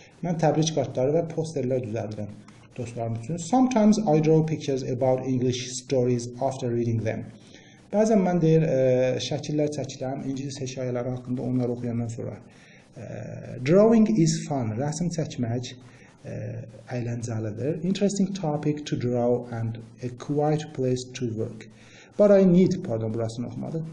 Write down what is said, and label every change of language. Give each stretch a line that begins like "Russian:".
Azerbaijani: Mən təbrik kartları və posterlər düzəldirəm dostlarım üçün.
English: Sometimes I draw pictures about English stories after reading them.
Azerbaijani: Bəzən mən deyir, şəkillər çəkirəm ingilis hekayələri haqqında onları oxuyandan sonra.
English: Drawing is fun.
Azerbaijani: Rəsm çəkmək əyləncəlidir.
English: Interesting topic to draw and a quiet place to work. But I need, pardon,
Azerbaijani: burasını oxumadım.